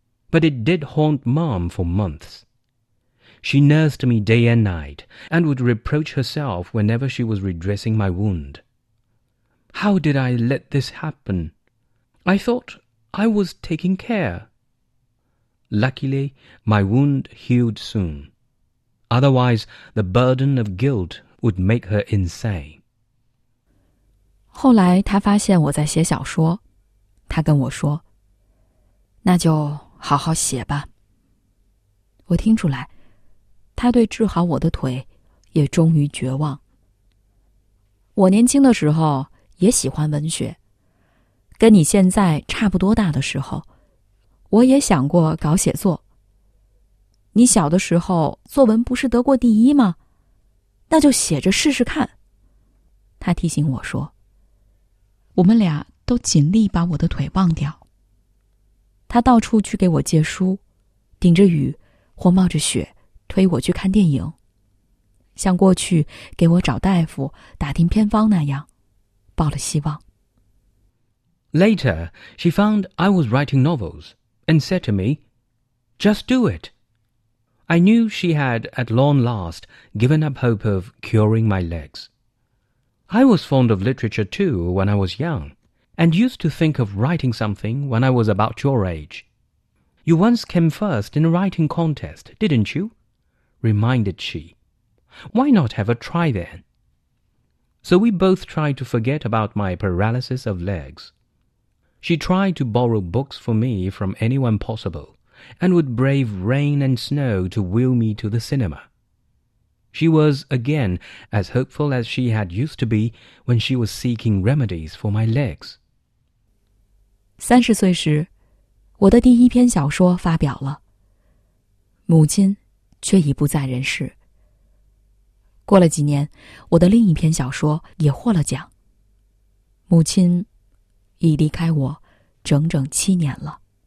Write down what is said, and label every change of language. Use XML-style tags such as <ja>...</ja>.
<en>But it did haunt Mom for months. She nursed me day and night and would reproach herself whenever she was redressing my wound. How did I let this happen? I thought I was taking care. Luckily, my wound healed soon. Otherwise, the burden of guilt would make her insane.</en> <zh>后来他发现我在写小说，他跟我说，那就好好写吧。我听出来，他对治好我的腿也终于绝望。我年轻的时候也喜欢文学，跟你现在差不多大的时候，我也想过搞写作。你小的时候作文不是得过第一吗？那就写着试试看。他提醒我说，我们俩都尽力把我的腿忘掉。他到处去给我借书，顶着雨或冒着雪推我去看电影，像过去给我找大夫打听偏方那样，抱了希望。</zh> <en>Later, she found I was writing novels and said to me, Just do it. I knew she had, at long last, given up hope of curing my legs. I was fond of literature too when I was young, and used to think of writing something when I was about your age. You once came first in a writing contest, didn't you? Reminded she. Why not have a try then? So we both tried to forget about my paralysis of legs. She tried to borrow books for me from anyone possible, and would brave rain and snow to wheel me to the cinema. She was, again, as hopeful as she had used to be when she was seeking remedies for my legs.</en> <zh>30岁时，我的第一篇小说发表了，母亲却已不在人世。过了几年，我的另一篇小说也获了奖，母亲已离开我整整七年了。</zh>